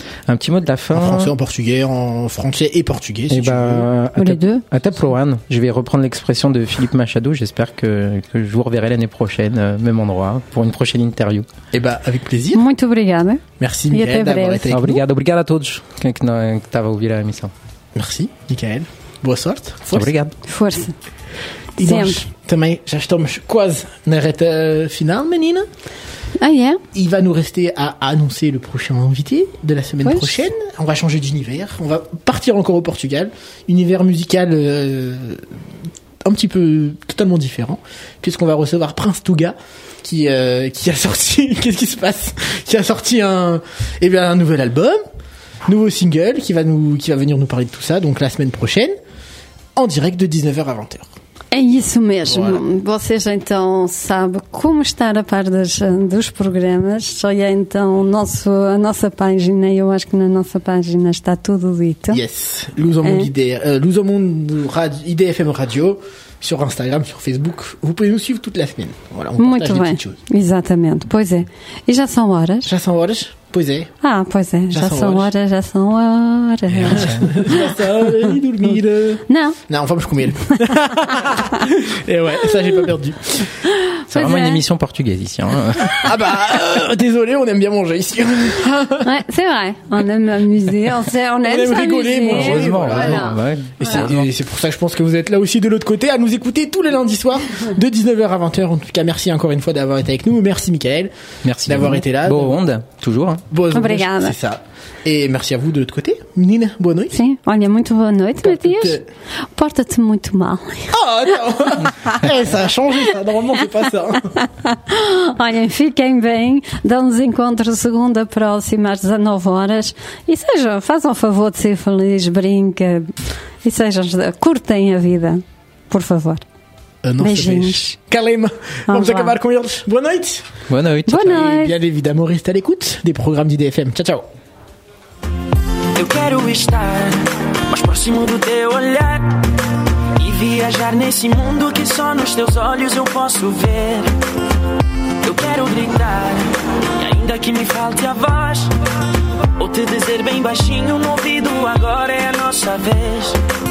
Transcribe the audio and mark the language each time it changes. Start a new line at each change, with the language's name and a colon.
French: En français, en portugais, en français et portugais. Les deux. À ta proane. Je vais reprendre l'expression de Philippe Machado. J'espère que je vous reverrai l'année prochaine, même endroit, pour une prochaine interview. Avec plaisir.
Portuguese: Muito obrigada.
French: Merci Mickaël d'avoir été avec nous.
Portuguese: Obrigado, obrigado a todos quem que estava a ouvir a emissão.
French: Merci, Mikael.
Portuguese: Boa sorte. Força. Obrigado. Força. E sempre. Nós também já estamos quase na reta final, menina. Ah, é?
French: Il va nous rester à annoncer le prochain invité de la semaine prochaine. On va changer d'univers. On va partir encore au Portugal. Univers musical un petit peu totalement différent. Puisqu'on va recevoir Prince Touga qui a sorti. Qu'est-ce qui se passe? Qui a sorti un nouvel album, nouveau single qui va venir nous parler de tout ça. Donc la semaine prochaine, en direct de 19h à 20h.
Portuguese: É isso mesmo. Voilà. Vocês então sabem como estar a par dos programas. Só é então a nossa página. Eu acho que na nossa página está tudo dito.
English: Yes. Luz ao Mundo IDFM Radio.
French: Sur Instagram, sur Facebook. Vous pouvez nous suivre toute la semaine. Voilà, on
Portuguese: muito bem.
French: Des petites choses.
Portuguese: Exatamente. Pois é. E já são horas? Já são horas. Pois é. Ah, pois é. Já são horas. Já são horas. E dormir. Não, vamos comer.
French: É, ouais, ça, j'ai pas perdu. C'est vraiment une émission portugaise ici. Hein. Ah, bah, désolé, on aime bien manger ici. Ouais, c'est vrai. On aime amuser. On aime rigoler, s'amuser. Heureusement. Et c'est pour ça que je pense que vous êtes là aussi de l'autre côté à nous écouter tous les lundis soirs de 19h à 20h. En tout cas, merci encore une fois d'avoir été avec nous. Merci, Mikael. Merci d'avoir été là. Bonne onde, toujours. Bonne onde. Obrigada. C'est ça. Et merci à vous de l'autre côté. Nina, bonne nuit.
Portuguese: Sim, olha, muito boa noite, Matias. Porta-te muito mal.
French: Oh, não. Ça a changé, ça. Normalement, c'est pas ça.
Portuguese: Olha, fiquem bem. Dão-nos encontro segunda próxima às 19h. E sejam, façam o favor de ser feliz, brinque. E sejam, curtem a vida, por favor. Beijinhos. Kalema, vamos acabar com eles. Boa noite. Boa noite. Boa noite.
French: Et bien évidemment, restez à l'écoute des programmes d'IDFM.
Portuguese: Tchau, tchau. Eu quero estar mais próximo do teu olhar e viajar nesse mundo que só nos teus olhos eu posso ver. Eu quero gritar e ainda que me falte a voz ou te dizer bem baixinho no ouvido, agora é a nossa vez.